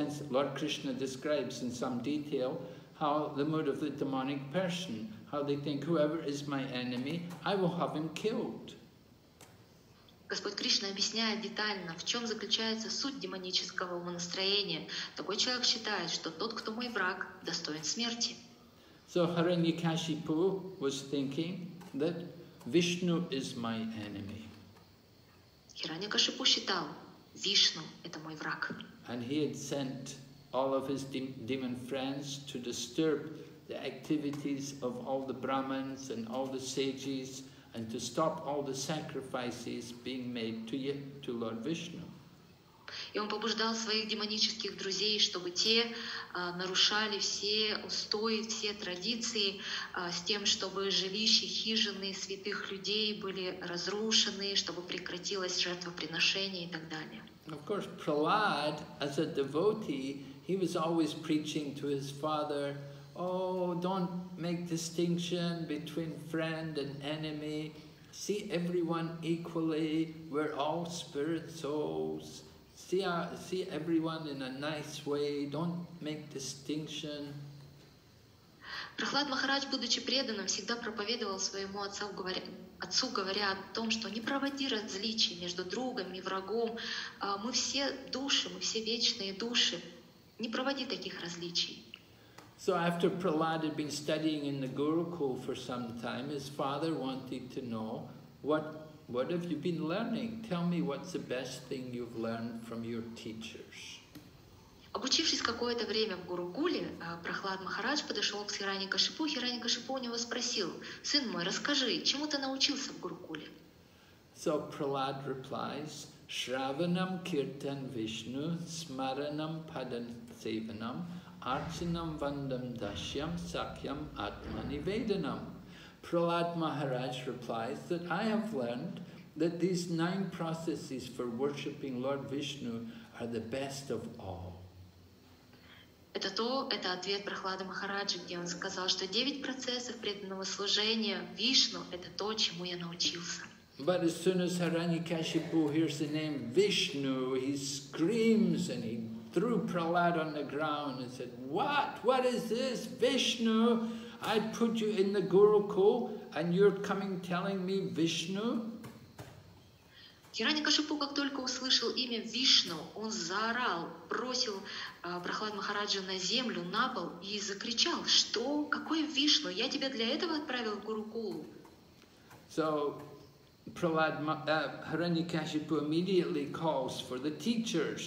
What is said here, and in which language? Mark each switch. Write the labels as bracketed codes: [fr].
[en] Lord Krishna describes in some detail how the mood of the demonic person, how they think, whoever is my enemy, I will have him killed. [ru] Господь Кришна объясняет детально, в чем заключается суть демонического настроения. Такой человек считает, что тот, кто мой враг, достоин смерти. [en] So Haranyakashipu was thinking that Vishnu is my enemy. [ru] Хираньякашипу считал, Вишну — это мой враг. [en] And he had sent all of his demon friends to disturb the activities of all the Brahmins and all the sages, and to stop all the sacrifices being made to Lord Vishnu. [ru] И он побуждал своих демонических друзей, чтобы те нарушали все устои, все традиции, с тем, чтобы жилища, хижины святых людей были разрушены, чтобы прекратилось жертвоприношение и так далее. [en] Of course, Prahlad, as a devotee, he was always preaching to his father, oh, don't make distinction between friend and enemy. See everyone equally. We're all spirit souls. See everyone in a nice way. Don't make distinction. [ru] Прахлад Махарадж, будучи преданным, всегда проповедовал своему отцу, говоря о том, что не проводи различий между другом и врагом. Мы все души, мы все вечные души. Не проводи таких различий. [en] So after Prahlad had been studying in the Gurukul for some time, his father wanted to know, what have you been learning? Tell me what's the best thing you've learned from your teachers. [ru] Обучившись какое-то время в Гурукуле, Прахлад Махарадж подошел к Хираньякашипу. Хираньякашипу у него спросил, сын мой, расскажи, чему ты научился в Гурукуле? [en] So Prahlad replies, [sa] Shravanam Kirtan Vishnu, Smaranam Padan Sevanam, Archanam Vandam Dashyam Sakyam Atmani Vedanam. [en] Prahlad Maharaj replies that I have learned that these nine processes for worshipping Lord Vishnu are the best of all. [ru] Это ответ Прохлады Махараджи, где он сказал, что девять процессов преданного служения Вишну — это то, чему я научился. [en] But as soon as Hiranyakashipu hears the name Vishnu, he screams and he threw Prahlad on the ground and said, What is this, Vishnu? I put you in the Gurukul and you're coming telling me Vishnu? [ru] Хиранякашипу, как только услышал имя Вишну, он заорал, бросил Прохлад Махараджа на землю, на пол и закричал, что? Какой Вишну? Я тебя для этого отправил в Гурукулу. [en] So, Hiranyakashipu immediately calls for the teachers.